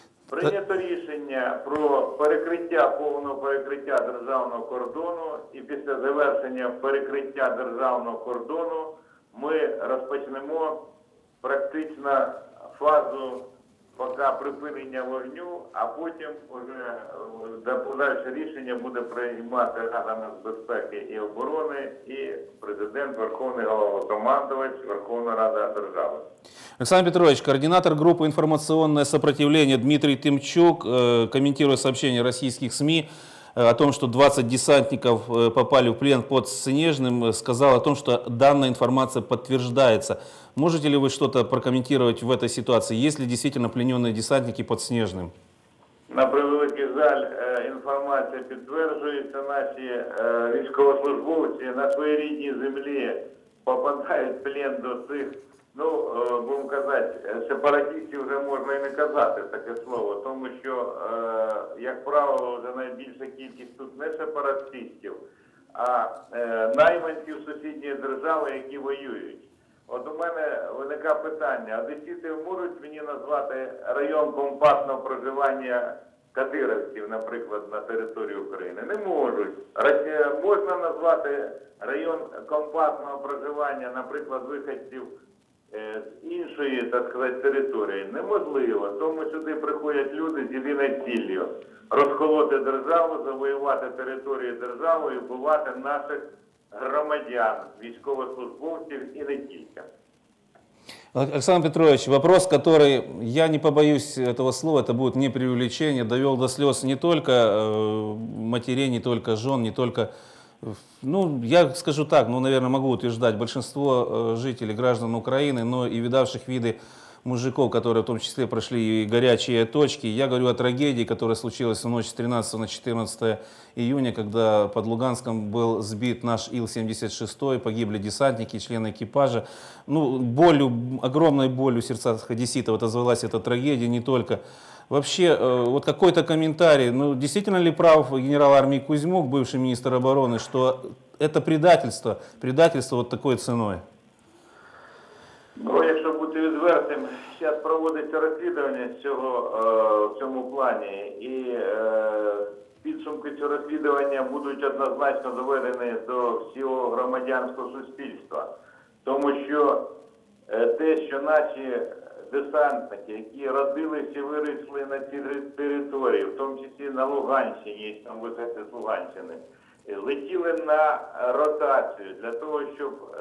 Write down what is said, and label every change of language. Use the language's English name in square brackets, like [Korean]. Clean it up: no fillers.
[Ukrainian] Прийнято рішення про перекриття, повне перекриття державного кордону, і після завершення перекриття державного кордону ми розпочнемо практично фазу поки припинення вогню, а потім вже подальше рішення буде приймати Рада нацбезпеки і оборони і президент, Верховний головнокомандувач, Верховна Рада держави. [Russian] Александр Петрович, координатор группы «Информационное сопротивление» Дмитрий Тимчук, комментируя сообщения российских СМИ о том, что 20 десантников попали в плен под Снежным, сказал о том, что данная информация подтверждается. Можете ли вы что-то прокомментировать в этой ситуации? Есть ли действительно плененные десантники под Снежным? [Ukrainian] На превеликий жаль, інформація підтверджується. Наші військовослужбовці на своїй рідній землі попадають в плен до цих, ну, будемо казати, сепаратистів вже можна і не казати таке слово, тому що, як правило, вже найбільша кількість тут не сепаратистів, а найманців сусідньої держави, які воюють. От у мене виникає питання, а десіти можуть мені назвати район компактного проживання кадирівців, наприклад, на території України? Не можуть. Можна назвати район компактного проживання, наприклад, виходців з іншої, так сказати, території? Неможливо. Тому сюди приходять люди з єдиною ціллю – розколоти державу, завоювати територію держави і вбивати наших громадян, військовослужбовців і не тільки. [Russian] Александр Петрович, вопрос, который, я не побоюсь этого слова, это будет не преувеличение, довел до слез не только матерей, не только жен, не только, ну, я скажу так, ну, наверное, могу утверждать, большинство жителей, граждан Украины, но и видавших виды мужиков, которые в том числе прошли и горячие точки. Я говорю о трагедии, которая случилась в ночь с 13 на 14 июня, когда под Луганском был сбит наш Ил-76, погибли десантники, члены экипажа. Ну, болью, огромной болью в сердцах одесситов отозвалась эта трагедия, не только. Вообще, вот какой-то комментарий, ну, действительно ли прав генерал армии Кузьмук, бывший министр обороны, что это предательство, предательство вот такой ценой? [Ukrainian] Відвертим, зараз проводиться розслідування цього, в цьому плані, і підсумки цього розслідування будуть однозначно доведені до всього громадянського суспільства. Тому що те, що наші десантники, які родилися і виросли на цій території, в тому числі на Луганщині, там висоти з Луганщини, летіли на ротацію для того, щоб